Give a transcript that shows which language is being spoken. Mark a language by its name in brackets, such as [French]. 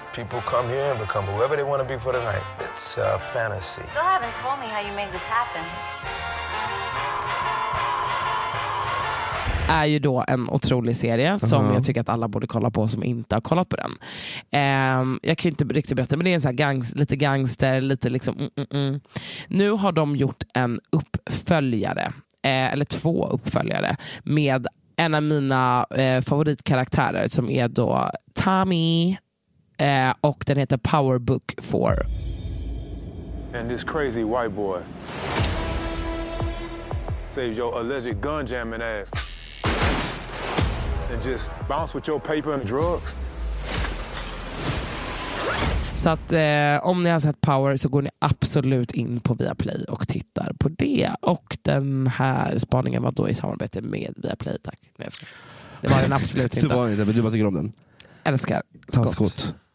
[English] People come here and become whoever they want to be for the night. It's a fantasy. Still haven't told me how you made this happen. [Swedish] Är ju då en otrolig serie som jag tycker att alla borde kolla på som inte har kollat på den. Jag kan ju inte riktigt berätta, men det är en sån här lite gangster, lite liksom... Nu har de gjort en uppföljare, eller två uppföljare, med en av mina favoritkaraktärer som är då Tommy. Och den heter Power Book 4. [English] And this crazy white boy saves your alleged gun jamming ass. And just bounce with your paper and drugs. [Swedish] Så att om ni har sett Power så går ni absolut in på Viaplay och tittar på det. Och den här spaningen var då i samarbete med Viaplay. Tack. Det var den absolut inte. Det var inte, men du bara tycker om den. Älskar. Skott. Skott.